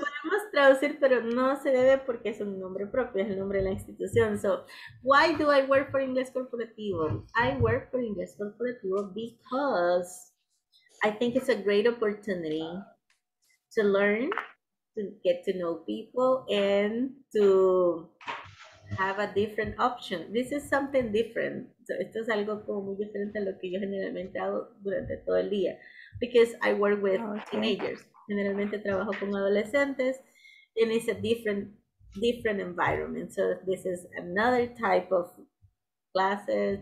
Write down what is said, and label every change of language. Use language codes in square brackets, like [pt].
[es] Lo podemos traducir, pero no se debe porque es un nombre propio, es el nombre de la institución. [en] So, why do I work for Inglés Corporativo? I work for Inglés Corporativo because I think it's a great opportunity to learn, to get to know people, and to have a different option. This is something different. [es] So, esto es algo como muy diferente a lo que yo generalmente hago durante todo el día. [en] Because I work with teenagers. [es] Generalmente trabajo con adolescentes, [en] and it's a different environment. So this is another type of classes.